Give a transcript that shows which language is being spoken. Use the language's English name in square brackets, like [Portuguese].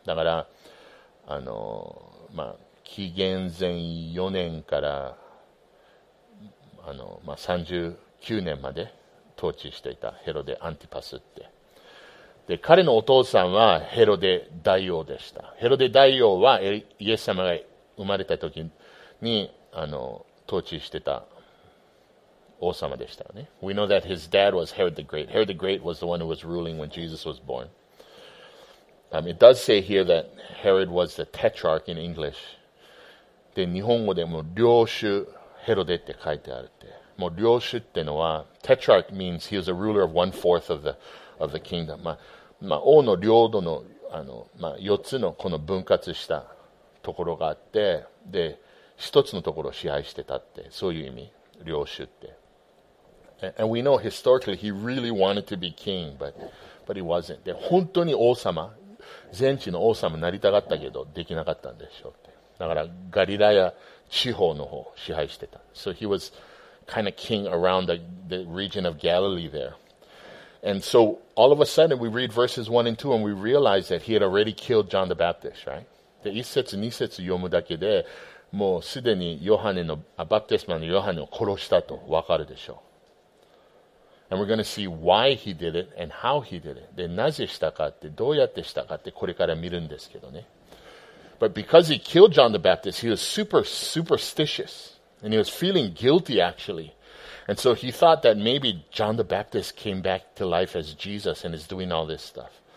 [Japanese] だから、まあ、紀元前4年から、まあ、39年まで統治していたヘロデアンティパスって。で、彼のお父さんはヘロデ大王でした。ヘロデ大王はイエス様が生まれた時に、統治してた王様でしたよね。 [English] We know that his dad was Herod the Great. Herod the Great was the one who was ruling when Jesus was born. It does say here that Herod was the tetrarch in English. [Japanese] で、日本語でも領主ヘロデって書いてあるって。もう領主ってのは、 [English] tetrarch means he was a ruler of one-fourth of the kingdom. [Japanese] まあ、王の領土の、まあ、4つのこの分割したところがあって、で、1つのところを支配してたって、そういう意味。 [English] And we know historically he really wanted to be king, but he wasn't. [Japanese] で、本当に王様、全地の王様になりたかったけど、できなかったんでしょうって。だから、ガリラヤ地方の方を支配してた。 [English] So he was kind of king around the region of Galilee there. And so, all of a sudden, we read verses 1 and 2 and we realize that he had already killed John the Baptist, right? [Japanese] で、1節2節読むだけで、もうすでにヨハネのバプテスマのヨハネを殺したとわかるでしょう。 [English] And we're going to see why he did it and how he did it. [Japanese] で、なぜしたかって、どうやってしたかってこれから見るんですけどね。 [English] But because he killed John the Baptist, he was super superstitious. And he was feeling guilty actually. And so he thought that maybe John the Baptist came back to life as Jesus and is doing all this stuff.